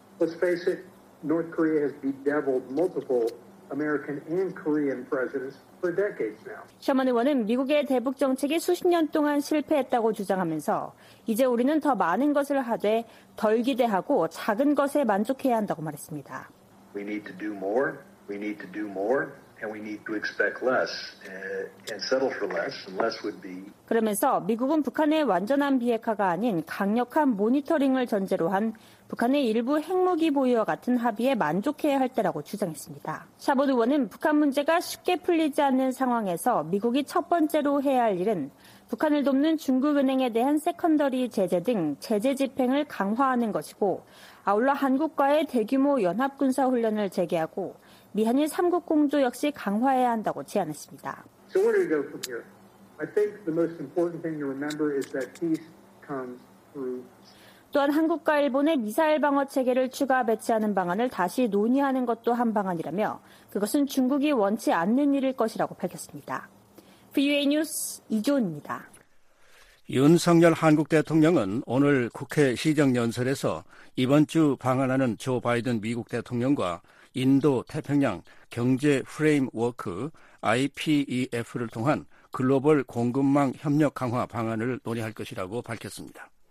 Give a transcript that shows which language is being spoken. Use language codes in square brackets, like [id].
[en] Let's face it, North Korea has bedeviled multiple American and Korean presidents for decades now. [ko] 셔먼 의원은 미국의 대북 정책이 수십 년 동안 실패했다고 주장하면서 이제 우리는 더 많은 것을 하되 덜 기대하고 작은 것에 만족해야 한다고 말했습니다. [en] We need to do more. We need to do more. And we need to expect less and settle for less. And less would be. [ko] 그러면서 미국은 북한의 완전한 비핵화가 아닌 강력한 모니터링을 전제로 한 북한의 일부 핵무기 보유와 같은 합의에 만족해야 할 때라고 주장했습니다. 샤보드 의원은 북한 문제가 쉽게 풀리지 않는 상황에서 미국이 첫 번째로 해야 할 일은 북한을 돕는 중국은행에 대한 세컨더리 제재 등 제재 집행을 강화하는 것이고, 아울러 한국과의 대규모 연합군사훈련을 재개하고 미한의 3국 공조 역시 강화해야 한다고 제안했습니다. [en] So where do we go from here? I think the most important thing to remember is that peace comes through. [ko] 또한 한국과 일본의 미사일 방어 체계를 추가 배치하는 방안을 다시 논의하는 것도 한 방안이라며 그것은 중국이 원치 않는 일일 것이라고 밝혔습니다. VOA 뉴스 이조은입니다. 윤석열 한국 대통령은 오늘 국회 시정연설에서 이번 주 방한하는 조 바이든 미국 대통령과 인도-태평양 경제 프레임워크 IPEF를 통한 글로벌 공급망 협력 강화 방안을 논의할 것이라고 밝혔습니다.